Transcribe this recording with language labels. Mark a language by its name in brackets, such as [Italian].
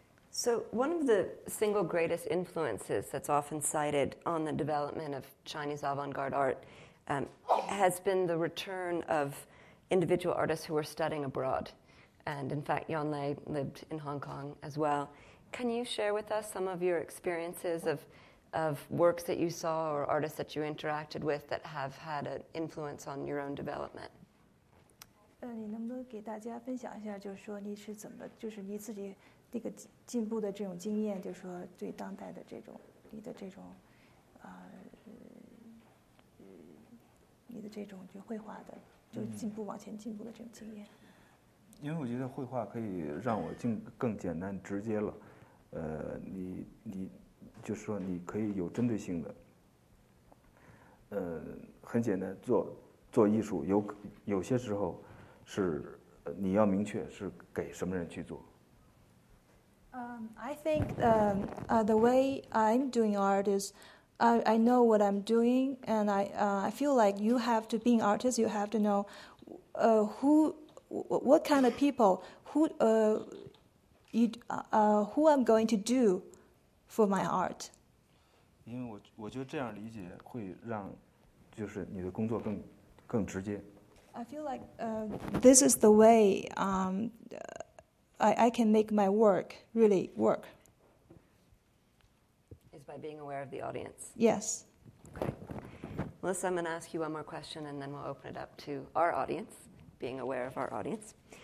[English] So one of the single greatest influences that's often cited on the development of Chinese avant-garde art has been the return of individual artists who were studying abroad. And in fact, Yan Lei lived in Hong Kong as well. Can you share with us some of your experiences of works that you saw or artists that you interacted with that have had an influence on your own development? [Chinese] 你能不能给大家分享一下，就是说你是怎么，就是你自己那个进步的这种经验，就是说对当代的这种你的这种，你的这种就绘画的就进步往前进步的这种经验。因为我觉得绘画可以让我更简单直接了，你就是说你可以有针对性的，很简单做艺术，有些时候是你要明确是给什么人去做。 [English] I think the way I'm doing art is I know what I'm doing, and I feel like you have to, being artist, you have to know what kind of people, who I'm going to do for my art. [Chinese] 因为我觉得这样理解会让就是你的工作更直接。 [English] I feel like this is the way I can make my work really work. Is by being aware of the audience. Yes. Okay. Melissa, I'm going to ask you one more question and then we'll open it up to our audience, being aware of our audience.